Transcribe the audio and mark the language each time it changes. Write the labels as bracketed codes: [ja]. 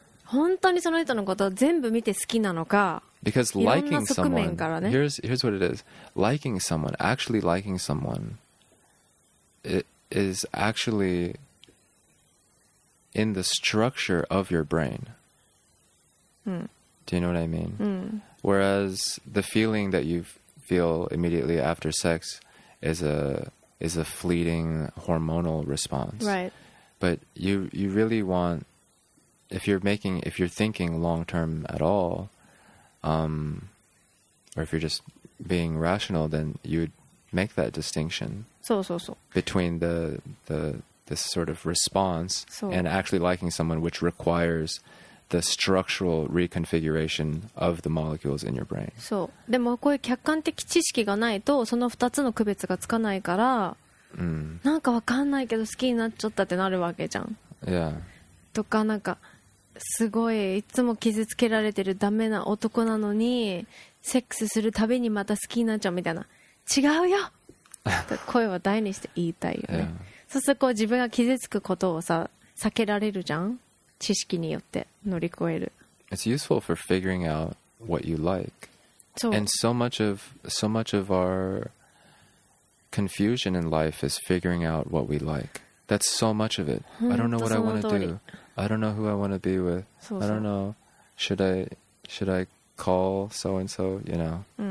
[ja] 本当にその人のことを全部見て好きなのか。 [en] Because liking someone, here's what it is. Liking someone, actually liking someone, it is actually in the structure of your brain. Do you know what I mean? Whereas the feeling that you feel immediately after sex is a fleeting hormonal response. Right. But you really want, if you're thinking long term at all, or if you're just being rational, then you would make that distinction. So, so, so. Between this sort of response so. And actually liking someone, which requires the structural reconfiguration of the molecules in your brain. [ja] そう。でもこういう客観的知識がないとその2つの区別がつかないから、なんかわかんないけど好きになっちゃったってなるわけじゃん。 [en] Yeah. [ja] とかなんかすごいいつも傷つけられてるダメな男なのにセックスするたびにまた好きになっちゃうみたいな。違うよ。声は大にして言いたいよね。 [en] Yeah. [ja] そうするとこう自分が傷つくことをさ避けられるじゃん。知識によって乗り越える。 [en] It's useful for figuring out what you like. So, and so much of our confusion in life is figuring out what we like. That's so much of it. I don't know what I want to do. I don't know who I want to be with. So, I don't know. Should I call so and so? You know.